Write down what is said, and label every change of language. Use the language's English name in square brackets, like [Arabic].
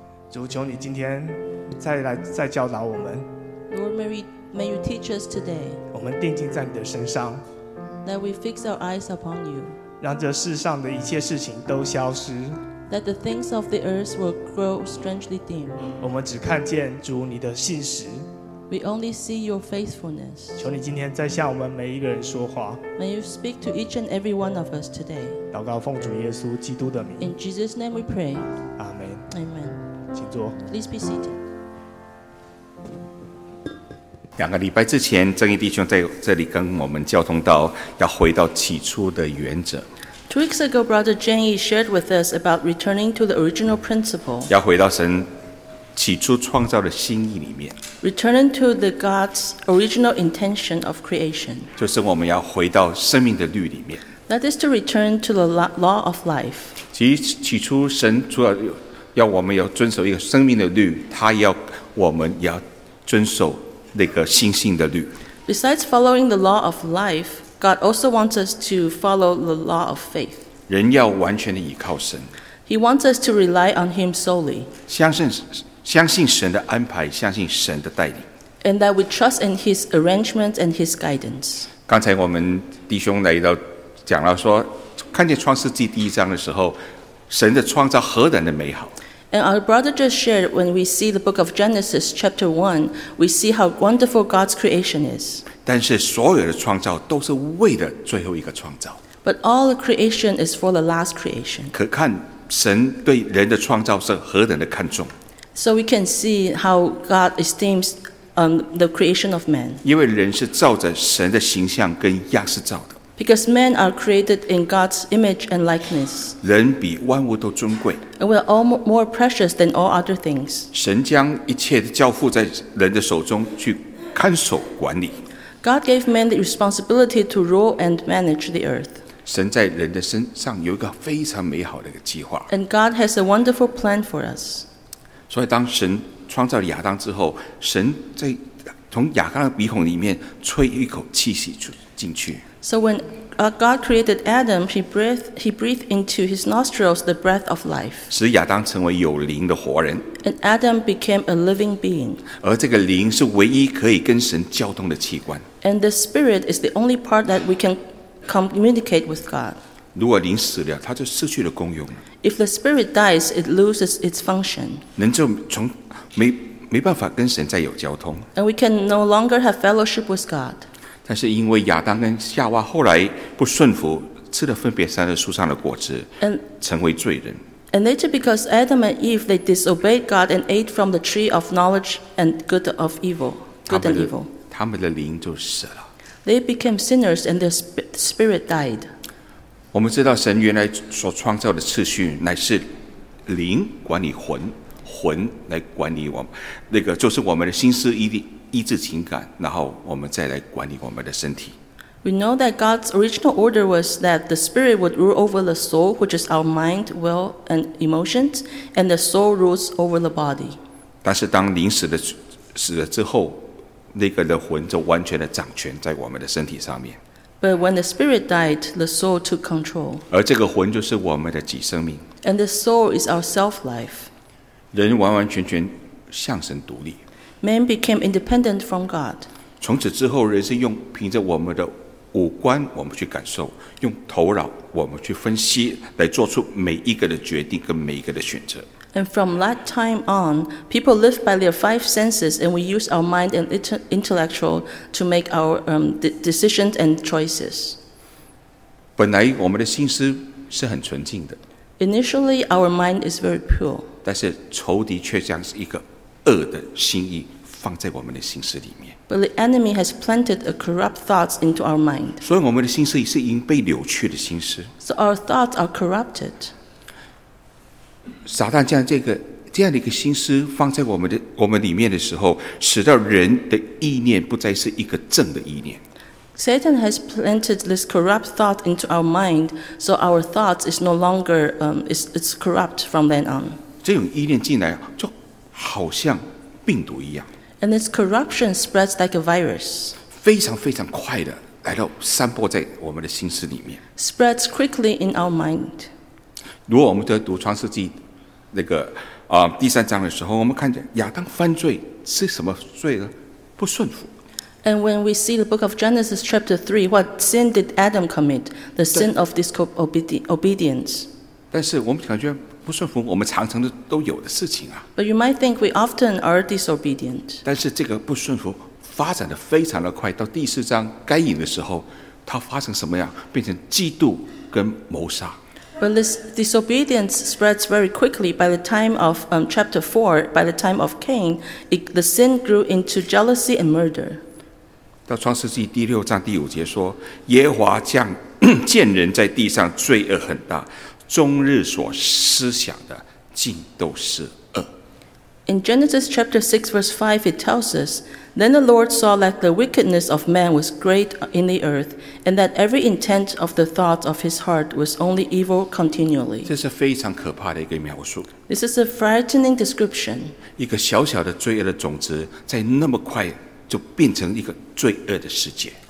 [Chinese] 主，求你今天再教导我们。 [English] Lord, may you teach us today. [Chinese] 我们定睛在你的身上。 [English] That we fix our eyes upon you. [Chinese] 让这世上的一切事情都消失。 [English] That the things of the earth will grow strangely dim. [Chinese] 我们只看见主你的信实。 [English] We only see your faithfulness. [Chinese] 求你今天再向我们每一个人说话。 [English] May you speak to each and every one of us today. [Chinese] 祷告奉主耶稣基督的名。 [English] In Jesus' name we pray. Amen. Amen. [Chinese] 请坐。 [English] Please be seated. [Chinese] 两个礼拜之前，正义弟兄在这里跟我们交通到要回到起初的原则。 [English] Two weeks ago, Brother Jang Yi shared with us about returning to the original principle. [Chinese] 要回到神起初创造的心意里面。 [English] Returning to the God's original intention of creation. [Chinese] 就是我们要回到生命的律里面。 [English] That is to return to the law of life. [Chinese] 其实起初神主要要我们要遵守一个生命的律，他要我们要遵守那个信心的律。 [English] Besides following the law of life. God also wants us to follow the law of faith. [Chinese] 人要完全的依靠神。 [English] He wants us to rely on Him solely. [Chinese] 相信神的安排，相信神的带领。 [English] And that we trust in His arrangement and His guidance. [Chinese] 刚才我们弟兄来到讲到说，看见创世纪第一章的时候，神的创造何等的美好。 [English] And our brother just shared, when we see the book of Genesis, chapter 1, we see how wonderful God's creation is. [Chinese] 但是所有的创造都是为了最后一个创造。 [English] But all the creation is for the last creation. [Chinese] 可看神对人的创造是何等的看重。 [English] So we can see how God esteems, the creation of man. [Chinese] 因为人是照着神的形象跟样式造的。 [English] Because men are created in God's image and likeness. [Chinese] 人比万物都尊贵。 [English] And we are all more precious than all other things. [Chinese] 神将一切交付在人的手中去看守管理。 [English] God gave men the responsibility to rule and manage the earth. [Chinese] 神在人的身上有一个非常美好的一个计划。 [English] And God has a wonderful plan for us. [Chinese] 所以当神创造亚当之后，神在从亚当的鼻孔里面吹一口气息进去。 [English] So when God created Adam, he breathed into his nostrils the breath of life. [Chinese] 使亚当成为有灵的活人。 [English] And Adam became a living being. [Chinese] 而这个灵是唯一可以跟神交通的器官。 [English] And the spirit is the only part that we can communicate with God. [Chinese] 如果灵死了，它就失去了功用。 [English] If the spirit dies, it loses its function. [Chinese] 能就从没办法跟神再有交通。 [English] And we can no longer have fellowship with God. [Chinese] 但是因为亚当跟夏娃后来不顺服，吃了分别善恶树上的果子，成为罪人。 [English] And later, because Adam and Eve they disobeyed God and ate from the tree of knowledge and good of evil, good and evil. [Chinese] 他们的灵就死了。 [English] They became sinners and their spirit died. [Chinese] 我们知道神原来所创造的次序乃是灵管理魂，魂来管理我们，那个就是我们的心思意念。医治情感，然后我们再来管理我们的身体。 [English] We know that God's original order was that the spirit would rule over the soul, which is our mind, will, and emotions, and the soul rules over the body. [Chinese] 但是当灵死了之后，那个的魂就完全的掌权在我们的身体上面。 [English] But when the spirit died, the soul took control. [Chinese] 而这个魂就是我们的己生命。 [English] And the soul is our self life. [Chinese] 人完完全全向神独立。 [English] Man became independent from God. [Chinese] 从此之后，人是用凭着我们的五官，我们去感受，用头脑，我们去分析，来做出每一个的决定跟每一个的选择。 [English] And from that time on, people lived by their five senses, and we use our mind and intellectual to make our decisions and choices. [Chinese] 本来我们的心思是很纯净的。 [English] Initially, our mind is very pure. [Chinese] 但是仇敌却像是一个。恶的心意放在我们的心思里面。 [English] But the enemy has planted a corrupt thoughts into our mind. [Chinese] 所以我们的心思是已经被扭曲的心思。 [English] So our thoughts are corrupted. [Chinese] 撒旦将这样的一个心思放在我们里面的时候，使得人的意念不再是一个正的意念。 [English] Satan has planted this corrupt thought into our mind, so our thoughts is no longer it's corrupt from then on. [Chinese] 这种意念进来就。好像病毒一样 [English] ，and its corruption spreads like a virus， [Chinese] 非常非常快的来到散播在我们的心思里面 [English] ，spreads quickly in our mind。 [Chinese] 如果我们在读创世纪那个第三章的时候，我们看见亚当犯罪是什么罪呢？不顺服。 [English] And when we see the book of Genesis chapter 3, what sin did Adam commit? The sin of disobedience. [Chinese] 但是我们感觉不顺服我们常常都有的事情啊。 [English] But you might think we often are disobedient. [Chinese] 但是这个不顺服发展得非常的快，到第四章该隐的时候，它发生什么样？变成嫉妒跟谋杀。 [English] But this disobedience spreads very quickly. By the time of chapter 4, by the time of Cain, the sin grew into jealousy and murder. [Chinese] 到创世纪第六章第五节说，耶和华降见人在地上罪恶很大，终日所思想的尽都是恶。 [English] In Genesis chapter 6 verse 5 it tells us, Then the Lord saw that the wickedness of man was great in the earth, and that every intent of the thoughts of his heart was only evil continually. [Chinese] 这是非常可怕的一个描述。 [English] This is a frightening description. [Chinese] 一个小小的罪恶的种子在那么快就变成一个罪恶的世界。